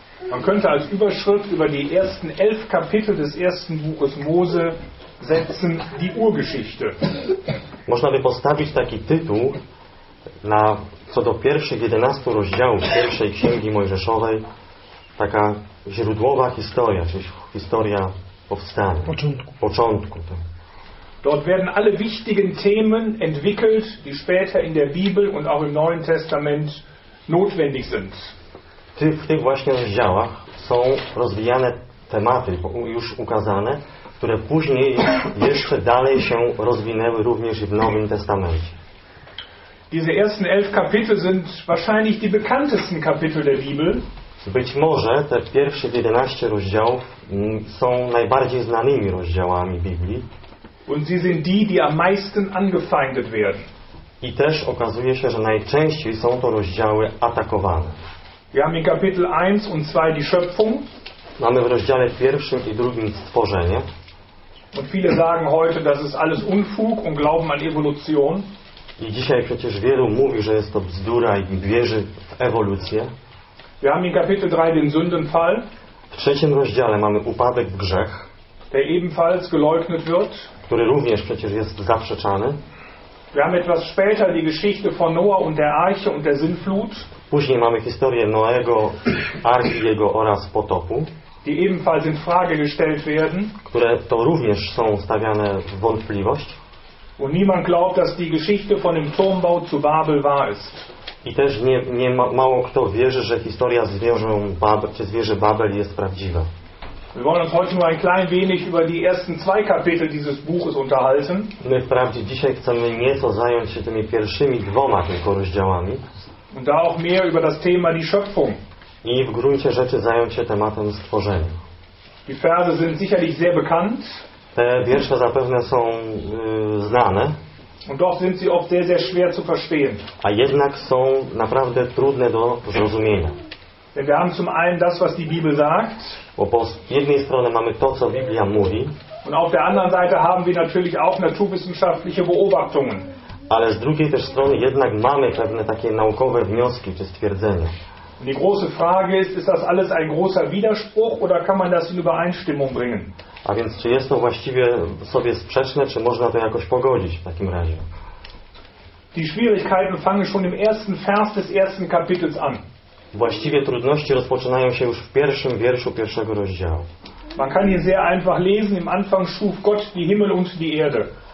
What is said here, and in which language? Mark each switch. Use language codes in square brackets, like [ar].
[de] Man könnte als Überschrift über die ersten elf Kapitel des ersten Buches Mose setzen die Urgeschichte. [pl] Można by postawić taki tytuł na co do pierwszych 11 rozdziałów pierwszej księgi Mojżeszowej, taka źródłowa historia, czyli historia powstania, początku. [de] Dort werden alle wichtigen Themen entwickelt, die später in der Bibel und auch im Neuen Testament notwendig sind. [pl] W tych właśnie rozdziałach są rozwijane tematy, już ukazane, które później jeszcze dalej się rozwinęły również w Nowym Testamencie. [de] Diese ersten elf Kapitel sind wahrscheinlich die bekanntesten Kapitel der Bibel. [pl] Być może te pierwsze 11 rozdziałów są najbardziej znanymi rozdziałami Biblii. [de] Und sie sind die, die am meisten angefeindet werden. [pl] I też okazuje się, że najczęściej są to rozdziały atakowane. [de] Wir haben in Kapitel 1 und 2 die Schöpfung. [pl] Mamy w rozdziale pierwszym i drugim stworzenie. [de] Und viele sagen heute, das ist alles Unfug und glauben an Evolution. [pl] I dzisiaj przecież wielu mówi, że jest to bzdura i wierzy w ewolucję. [de] Wir haben in Kapitel 3 den Sündenfall. [pl] W trzecim rozdziale mamy upadek w grzech, [de] der ebenfalls geleugnet wird, [pl] który również przecież jest zaprzeczany. [de] Wir haben etwas später die Geschichte von Noah und der Arche und der Sintflut. [pl] Później mamy historię Noego, Arki jego oraz potopu, [de] die ebenfalls in Frage gestellt werden, [pl] które to również są stawiane w wątpliwość. [de] Und niemand glaubt, dass die Geschichte von dem Turmbau zu Babel wahr ist. [pl] I też mało kto wierzy, że historia z wieżą Babel, czy z wieży Babel jest prawdziwa. [de] Wir wollen uns heute nur ein klein wenig über die ersten zwei Kapitel dieses Buches unterhalten. [pl] My wprawdzie dzisiaj chcemy nieco zająć się tymi pierwszymi dwoma tylko rozdziałami. [de] Und da auch mehr über das Thema die Schöpfung. [pl] I w gruncie rzeczy zająć się tematem stworzenia. [de] Die Verse sind sicherlich sehr bekannt. [pl] Te wiersze zapewne są znane. [de] Und doch sind sie oft sehr, sehr schwer zu verstehen. [pl] A jednak są naprawdę trudne do zrozumienia. [de] Denn wir haben zum einen das, was die Bibel sagt. [pl] Bo po jednej strony mamy to, co Biblia mówi. [de] Und auf der anderen Seite haben wir natürlich auch naturwissenschaftliche Beobachtungen. [pl] Ale z drugiej też strony jednak mamy pewne takie naukowe wnioski czy stwierdzenia. [de] Und die große Frage ist, ist das alles ein großer Widerspruch oder kann man das in Übereinstimmung bringen? [pl] A więc czy jest to właściwie sobie sprzeczne, czy można to jakoś pogodzić w takim razie? [de] Die Schwierigkeiten fangen schon im ersten Vers des ersten Kapitels an. [pl] Właściwie trudności rozpoczynają się już w pierwszym wierszu pierwszego rozdziału. [de] Man kann hier sehr einfach lesen, im Anfang schuf Gott die Himmel und die Erde.